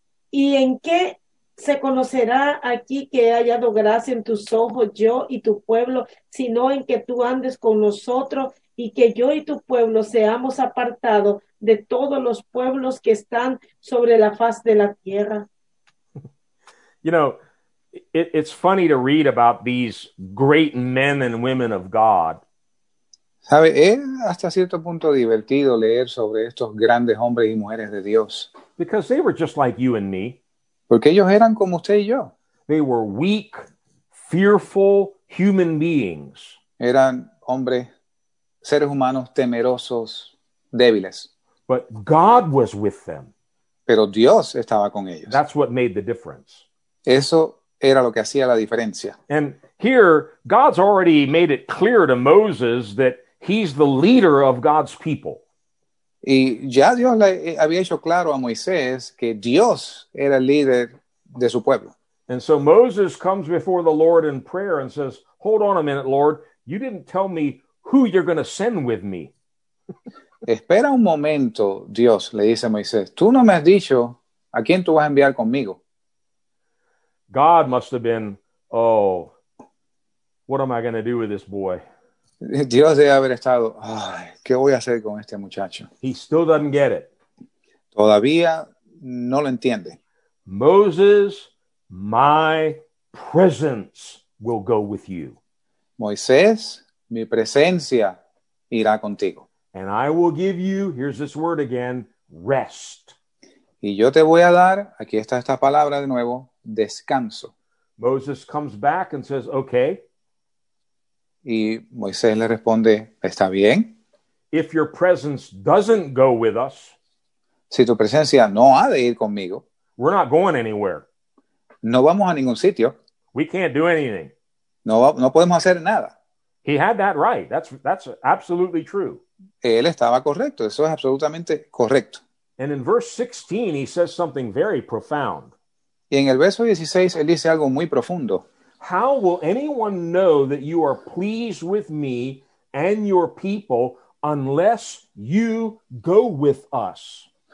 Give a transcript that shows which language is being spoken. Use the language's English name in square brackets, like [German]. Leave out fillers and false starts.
[Spanish] ¿Y en qué se conocerá aquí que he hallado gracia en tus ojos, yo y tu pueblo, sino en que tú andes con nosotros y que yo y tu pueblo seamos apartados de todos los pueblos que están sobre la faz de la tierra? [English] You know, it's funny to read about these great men and women of God. [Spanish] ¿Sabe? Es hasta cierto punto divertido leer sobre estos grandes hombres y mujeres de Dios. [English] Because they were just like you and me. [Spanish] Porque ellos eran como usted y yo. [English] They were weak, fearful human beings. [Spanish] Eran hombres, seres humanos temerosos, débiles. [English] But God was with them. [Spanish] Pero Dios estaba con ellos. [English] That's what made the difference. [Spanish] Eso era lo que hacía la diferencia. [English] And here, God's already made it clear to Moses that he's the leader of God's people. [Spanish] Y ya Dios le había hecho claro a Moisés que Dios era el líder de su pueblo. [English] And so Moses comes before the Lord in prayer and says, hold on a minute, Lord, you didn't tell me who you're going to send with me. [Spanish] Espera un momento, Dios, le dice a Moisés. Tú no me has dicho a quién tú vas a enviar conmigo. [English] God must have been, oh, what am I going to do with this boy? [Spanish] Dios debe haber estado, ay, ¿qué voy a hacer con este muchacho? [English] He still doesn't get it. [Spanish] Todavía no lo entiende. [English] Moses, my presence will go with you. [Spanish] Moisés, mi presencia irá contigo. [English] And I will give you, here's this word again, rest. [Spanish] Y yo te voy a dar, aquí está esta palabra de nuevo, descanso. [English] Moses comes back and says, okay. [Spanish] Y Moisés le responde, está bien. [English] If your presence doesn't go with us, [Spanish] si tu presencia no ha de ir conmigo, [English] we're not going anywhere. [Spanish] No vamos a ningún sitio. [English] We can't do anything. [Spanish] No podemos hacer nada. [English] He had that right. That's absolutely true. [Spanish] Él estaba correcto. Eso es absolutamente correcto. [English] And in verse 16, he says something very profound. [Spanish] Y en el verso 16, él dice algo muy profundo. [English] How will anyone know that you are pleased with me and your people unless you go with us?